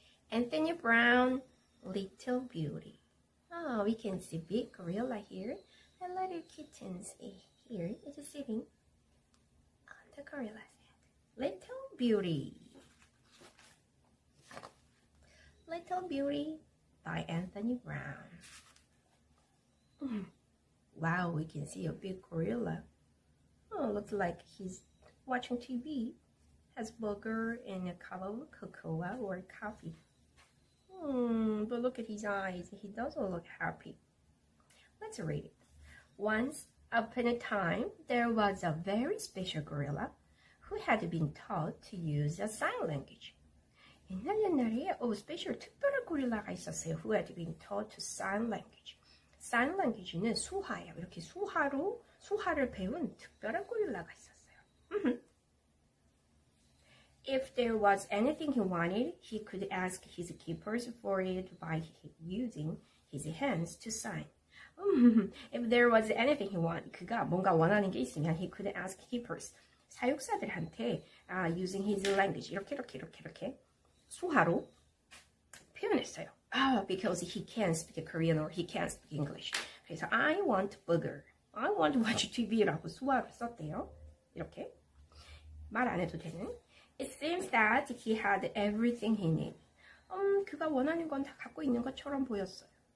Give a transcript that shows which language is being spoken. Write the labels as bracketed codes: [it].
[en] 앤소니 브라운 리틀뷰티. Oh, we can see big gorilla here. And little kittens here is sitting on the gorilla's head. Little Beauty. Little Beauty by Anthony Brown. Wow, we can see a big gorilla. Oh, looks like he's watching TV. Has burger and a cup of cocoa or coffee. But look at his eyes. He doesn't look happy. Let's read it. Once upon a time, there was a very special gorilla who had been taught to use a sign language. [ko] 옛날 옛날에 special 특별한 고릴라가 있었어요. [en] Who had been taught to sign language. [ko] Sign language는 수화예요. 이렇게 수화로 수화를 배운 특별한 고릴라가 있었어요. [en] If there was anything he wanted, he could ask his keepers for it by using his hands to sign. If there was anything he wanted, [ko] 그가 뭔가 원하는 게 있으면 [en] he could ask keepers, [ko] 사육사들한테 [en] using his language, [ko] 이렇게 이렇게 이렇게 이렇게 수화로 표현했어요. [en] Oh, because he can't speak Korean or he can't speak English. [ko] 그래서 [en] I want burger, I want to watch TV [ko] 라고 수화로 썼대요. 이렇게 말 안 해도 되는. [en] It seems that he had everything he needed. [ko] 그가 원하는 건 다 갖고 있는 것처럼 보였어요.